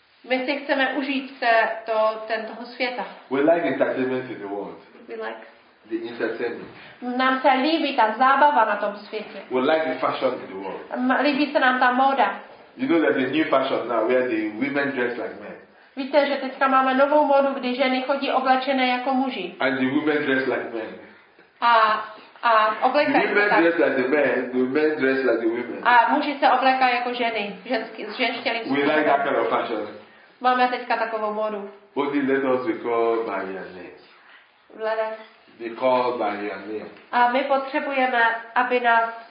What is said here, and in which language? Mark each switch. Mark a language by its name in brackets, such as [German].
[Czech] My si chceme užít tento světa. [English] We like entertainment in the world. We like the entertainment. [Czech] Nám se líbí ta zábava na tom světě. [English] We like the fashion in the world. [Czech] Líbí se nám ta móda. [English] You know that the new fashion now where the women dress like men. [Czech] Víte, že teďka máme novou módu, kdy ženy chodí oblečené jako muži. [English] And the women dress like men. [Czech] A oblékají se tak. [English] Dress like the men, the men dress like the women. [Czech] A muži se oblékají jako ženy, ženský, s ženštělým způsobem. [English] We like that kind of fashion. [Czech] Máme teďka takovou módu. [English] Only let us be called by your name. [Czech] Vlade. [English] Be called by your name. [Czech] A my potřebujeme, aby nás